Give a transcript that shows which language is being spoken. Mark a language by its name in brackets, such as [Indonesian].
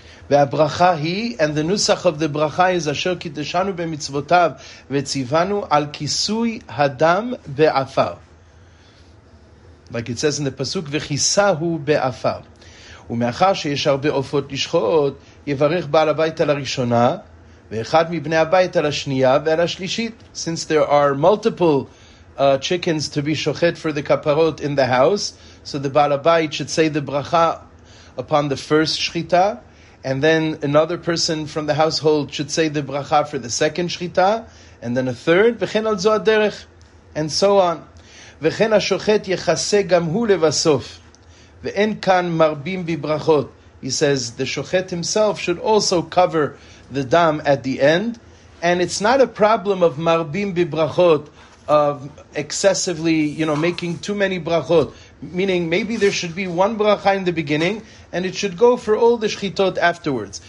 [Hebrew] והברכה היא, [English] and the nusach of the bracha is [Hebrew] אשר קידשנו במצוותיו וציוונו על כיסוי הדם באפר. [English] Like it says in the pasuk, [Hebrew] וכיסה הוא באפר. ומאחר שיש הרבה עופות לשחוט, יברך בעל הבית על הראשונה, ואחד מבני הבית על השנייה ועל השלישית. [English] Since there are multiple chickens to be shochet for the kaparot in the house, so the בעל הבית should say the bracha upon the first shchita, and then another person from the household should say the bracha for the second shchita, and then a third, [Hebrew] וכן על זו הדרך, [English] and so on. [Hebrew] וכן השוחט יחסה גם הוא לבסוף, ואין כאן מרבים בברכות. [English] He says, the shochet himself should also cover the dam at the end, and it's not a problem of marbim bibrachot, of excessively, you know, making too many brachot. Meaning, maybe there should be one bracha in the beginning, and it should go for all the shchitot afterwards.